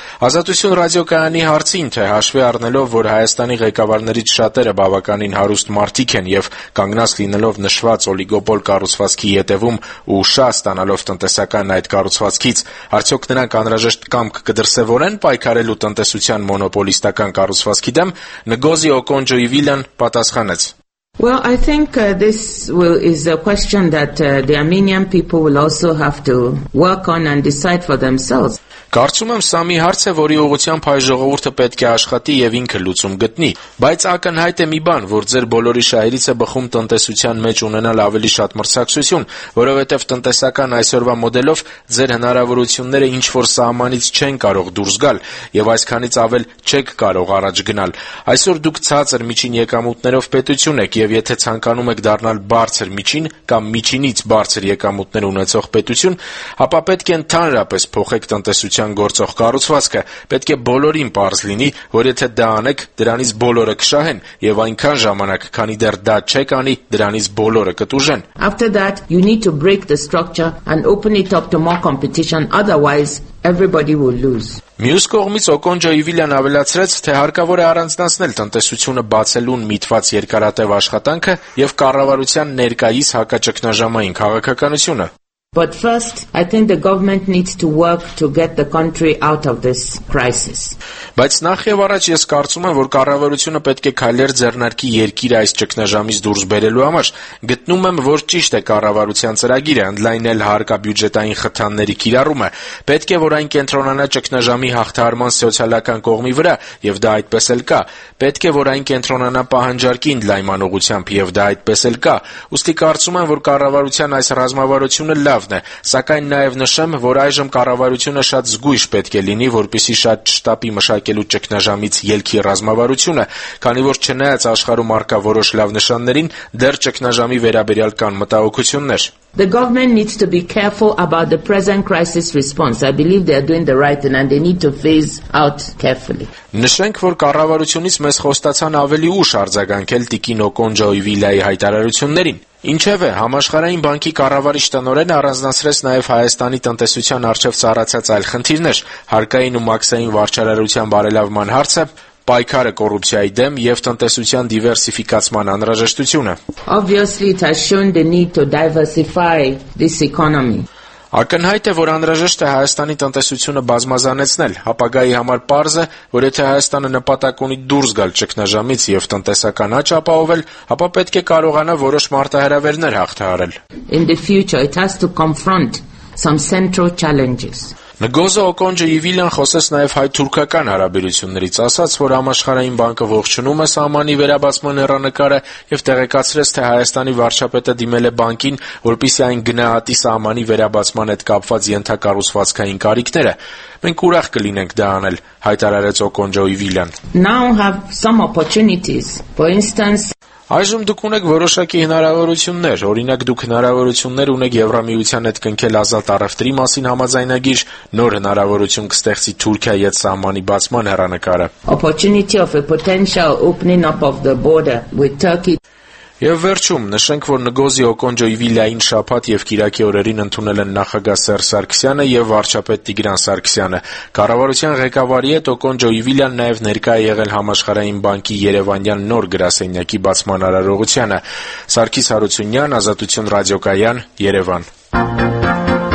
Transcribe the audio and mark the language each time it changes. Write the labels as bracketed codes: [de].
[hy] Ազատություն ռադիոկայանի հարցին, թե հաշվի առնելով, որ Հայաստանի ղեկավարներից շատերը բավականին հարուստ մարդիկ են եւ կանգնած լինելով նշված օլիգոպոլ կառուցվածքի ետևում ու շա ստանալով տնտեսական այդ կառուցվածքից, արդյոք նրանք անհրաժեշտ կամք կդրսևորեն պայքարելու տնտեսության մոնոպոլիստական կառուցվածքի դեմ, Նգոզի Օկոնջո-Իվիլան պատասխանեց. [en] Well, I think this is a question that the Armenian people will also have to work on and decide for themselves. [hy] Կարծում եմ, սա մի հարց է, որի ուղղությամբ հայ ժողովուրդը պետք է աշխատի եւ ինքը լուծում գտնի, բայց ակնհայտ է մի բան, որ ձեր բոլորի շահերից է բխում տնտեսության մեջ ունենալ ավելի շատ մրցակցություն, որովհետեւ տնտեսական այսօրվա մոդելով ձեր հնարավորությունները ինչ որ սահմանից չեն կարող դուրս գալ եւ այսքանից ավել չեք կարող առաջ գնալ։ Այսօր դուք ցածր միջին եկամուտներով պետություն եք եւ եթե ցանկանում եք դառնալ բարձր միջին կամ միջինից բարձր եկամուտներ ունեցող պետություն, ապա պետք է ընդհանրապես փոխեք տնտեսությունը չան գործող կառուցվածքը, պետք է բոլորին պարզ լինի, որ եթե դա անեք, դրանից բոլորը կշահեն, եւ այնքան ժամանակ, քանի դեռ դա չեք անի, դրանից բոլորը կտուժեն։ [en] After that, you need to break the structure and open it up to more competition, otherwise everybody will lose. [hy] Մյուս կողմից Օկոնջո-Իվիլան ավելացրեց, թե հարկավոր է առանձնացնել տնտեսությունը բացելուն միտված երկարատև աշխատանքը եւ կառավարության ներկայիս հակաճգնաժամային քաղաքականությունը։ [en] But first, I think the government needs to work to get the country out of this crisis. [hy] Բայց նախ եւ առաջ ես կարծում եմ, որ կառավարությունը պետք է քայլեր ձեռնարկի երկիրը այս ճգնաժամից դուրս բերելու համար։ Գտնում եմ, որ ճիշտ է կառավարության ծրագիրը ընդլայնել հարկաբյուջետային խթանների կիրառումը։ Պետք է, որ այն կենտրոնանա ճգնաժամի հաղթահարման սոցիալական կողմի վրա, եւ դա այդպես էլ կա։ Պետք է, որ այն կենտրոնանա պահանջարկի ընդլայնման ուղղությամբ, եւ դա այդպես էլ կա։ Ուստի կարծում եմ, որ կառավարության այս ռազմավարությունը լավն է, սակայն նաև նշեմ, որ այժմ կառավարությունը շատ զգույշ պետք է լինի, որպեսզի շատ չշտապի մշակելու ճգնաժամից ելքի ռազմավարությունը, քանի որ չնայած աշխարհում առկա որոշ լավ նշաններին, դեռ ճգնաժամի վերաբերյալ կան մտահոգություններ։ [en] The government needs to be careful about the present crisis response. I believe they are doing the right thing and they need to phase out carefully. [hy] Նշենք, որ կառավարությունից մեզ խոստացան ավելի ուշ արձագանքել Տիկին Օկոնջո-Իվիլայի հայտարարություններին։ Ինչևէ, համաշխարհային բանկի կառավարիչ տնօրենը առանձնացրեց նաև Հայաստանի տնտեսության առջև ծառացած այլ խնդիրներ՝ հարկային ու մաքսային վարչարարության բարելավման հարցը, պայքարը կոռուպցիայի դեմ եւ տնտեսության դիվերսիֆիկացման անհրաժեշտությունը։ [en] Obviously, it has shown the need to diversify this economy. [hy] Ակնհայտ է, որ անհրաժեշտ է Հայաստանի տնտեսությունը բազմազանեցնել, ապագայի համար պարզ է, որ եթե Հայաստանը նպատակ ունի դուրս գալ ճգնաժամից և տնտեսական աճ ապահովել, ապա պետք է կարողանա որոշ մարտահրավերներ հաղթահարել. [en] In the future it has to confront some central challenges. [hy] Նգոզո Օկոնջո Իվիլյան խոսեց նաև հայ-թուրքական հարաբերություններից, ասաց, որ համաշխարհային բանկը ողջունում է սահմանի վերաբացման հեռանկարը և տեղեկացրեց, թե Հայաստանի վարչապետը դիմել է բանկին, որպիսի այն գնահատի սահմանի վերաբացման հետ կապված ենթակառուցվածքային կարիքները։ Մենք ուրախ կլինենք դա անել, հայտարարեց Օկոնջո Իվիլյան։ [en] Now have some opportunities. For instance, [hy] այժմ դուք ունեք որոշակի հնարավորություններ, օրինակ դուք հնարավորություններ ունեք Եվրամիության հետ կնքել ազատ առևտրի մասին համաձայնագիր, նոր հնարավորություն կստեղծի Թուրքիա ու Սահմանի բացման հեռանկարը. [en] Opportunity of a potential opening up of the border with Turkey. [hy] Եվ վերջում, նշենք, որ Նգոզի Օկոնջո-Իվիլյան շաբաթ և կիրակի օրերին ընդունել են նախագահ Սերժ Սարգսյանը և վարչապետ Տիգրան Սարգսյանը։ Կառավարության ղեկավարի հետ Օկոնջո-Իվիլյան նաև ներկա է եղել համաշխարհային բանկի Երևանյան նոր գրասենյակի բացման արարողությանը։ Սարգիս Հարությունյան, Ազատություն ռադիոկայան, Երևան։